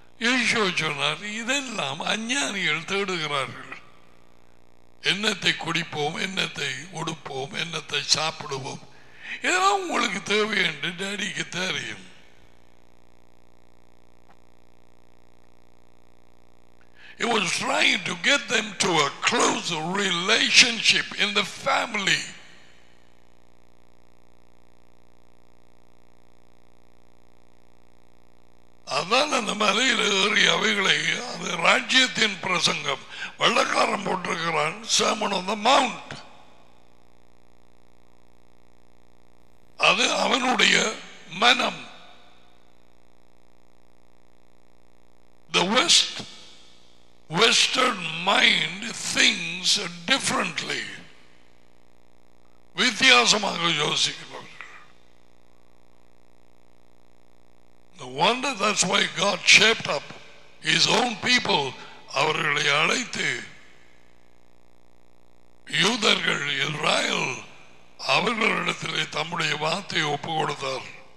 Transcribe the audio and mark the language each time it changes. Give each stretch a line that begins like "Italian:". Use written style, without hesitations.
Tamil: ஈஷோ சொன்னார், இதெல்லாம் அஞ்ஞானிகள் தேடுகிறார்கள். என்னத்தை குடிப்போம், என்னத்தை உடுப்போம், என்னத்தை சாப்பிடுவோம், இதெல்லாம் உங்களுக்கு தேவை என்று டாடிக்கு தெரியும்.
English: He was trying to get them to a close relationship in the family.
Tamil: அதான் அந்த மலையில் ஏறி அவைகளை அது ராஜ்யத்தின் பிரசங்கம் வெள்ளக்காரன் போட்டிருக்கிறான்.
English: Sermon on the Mount,
Tamil: அது அவனுடைய மனம்.
English: The West, Western mind thinks differently.
Tamil: வித்தியாசமாக யோசிக்கிறார்கள்.
English: No wonder that's why God shaped up his own people.
Tamil: அவர்களை அழைத்து யூதர்கள் இஸ்ரவேல் அவர்களிடத்திலே தம்முடைய வார்த்தையை ஒப்புக் கொடுத்தார்.